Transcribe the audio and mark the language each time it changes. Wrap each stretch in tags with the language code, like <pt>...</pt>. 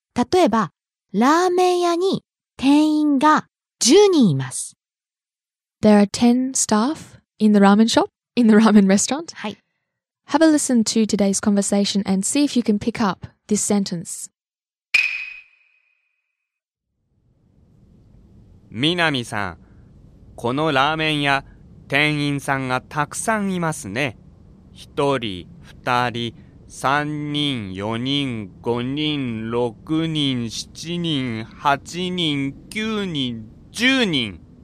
<ja>例えば、ラーメン屋に店員が10人います。</ja> <en>There are 10 staff in the ramen shop, in the ramen restaurant.</en> <ja>はい。</ja> <en>Have a listen to today's conversation and see if you can pick up this sentence.</en> <ja>みなみさん、このラーメン屋、店員さんがたくさんいますね。 1人、2人、3人、4人、5人、6人、7人、8人、9人、10人。</ja>